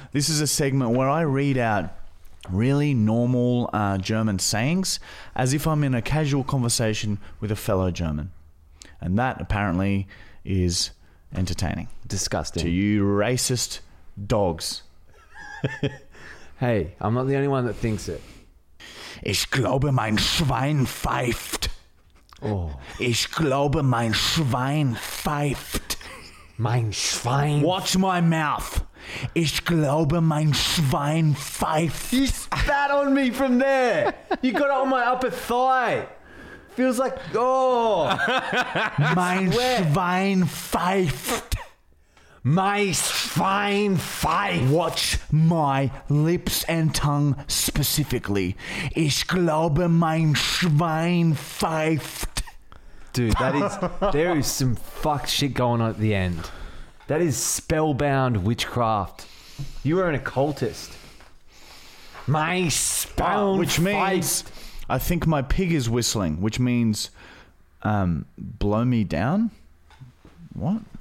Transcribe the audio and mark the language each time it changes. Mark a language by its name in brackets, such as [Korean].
[English] This is a segment where I read out really normal German sayings as if I'm in a casual conversation with a fellow German. And that apparently is... entertaining. Disgusting. To you racist dogs. Hey, I'm not the only one that thinks it. [German] Ich glaube, mein Schwein pfeift. Oh. Ich glaube, mein Schwein pfeift. Mein Schwein. [English] Watch my mouth. [German] Ich glaube mein Schwein pfeift. [English] You spat on me from there. You got it on my upper thigh. Feels like, oh. [German] Mein Schwein pfeift. My Schwein pfeift. [English] Watch my lips and tongue specifically. [German] Ich glaube mein Schwein pfeift. [English] Dude, that is, there is some fucked shit going on at the end. That is spellbound witchcraft. You are an occultist. My spell, which means feist. I think my pig is whistling, which means blow me down. What?